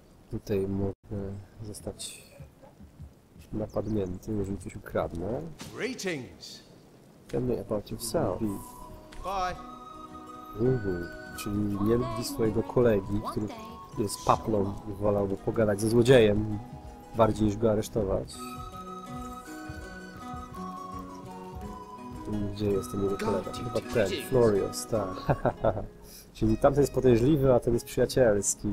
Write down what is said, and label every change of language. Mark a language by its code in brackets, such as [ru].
[pl] Tutaj mogę zostać napadnięty, jeżeli coś ukradnę. [en] Greetings. Tell me about yourself. Bye. [pl] Czyli nie lubi swojego kolegi, który jest paplą i wolałby pogadać ze złodziejem bardziej niż go aresztować. Gdzie jest ten jego kolega? Chyba ten, Florios, tak. Czyli tamten jest podejrzliwy, a ten jest przyjacielski.